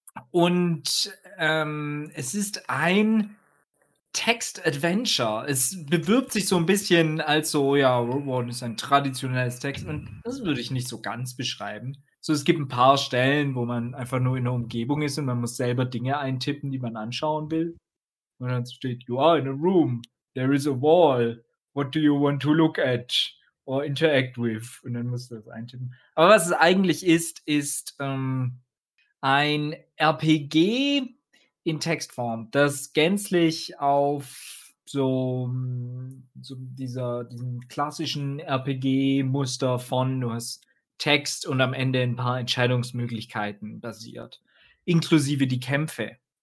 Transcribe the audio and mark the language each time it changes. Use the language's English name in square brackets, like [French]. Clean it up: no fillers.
[German] Und es ist ein Text-Adventure. Es bewirbt sich so ein bisschen als so, ja, Road Warden ist ein traditionelles Text. Und das würde ich nicht so ganz beschreiben. So, es gibt ein paar Stellen, wo man einfach nur in der Umgebung ist und man muss selber Dinge eintippen, die man anschauen will. Und dann steht, [English] you are in a room, there is a wall, what do you want to look at or interact with? [German] Und dann musst du das eintippen. Aber was es eigentlich ist, ist ein RPG in Textform, das gänzlich auf diesem klassischen RPG-Muster von, du hast Text und am Ende ein paar Entscheidungsmöglichkeiten basiert, inklusive die Kämpfe.